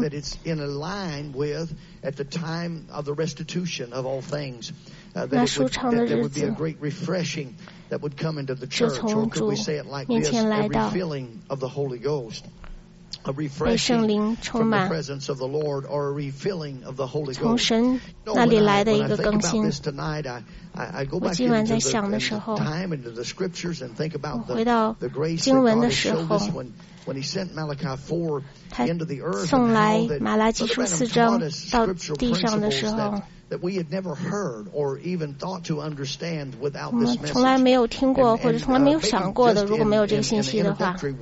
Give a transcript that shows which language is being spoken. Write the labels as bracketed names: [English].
[English] that it's in a line with at the time of the restitution of all things. That there would be a great refreshing that would come into the church. Or could we say it like this? A refilling of the Holy Ghost. A refreshing from the presence of the Lord, or a refilling of the Holy Ghost. [Chinese] 从神那里来的一个更新。 [English] When I think about this tonight, I go back into the time into the scriptures and think about the grace that God showed us when he sent Malachi 4 into the earth, and how that Brother Branham taught us scriptural principles that we had never heard or even thought to understand without this message. [Chinese] 从来没有听过或者从来没有想过的，如果没有这个信息的话。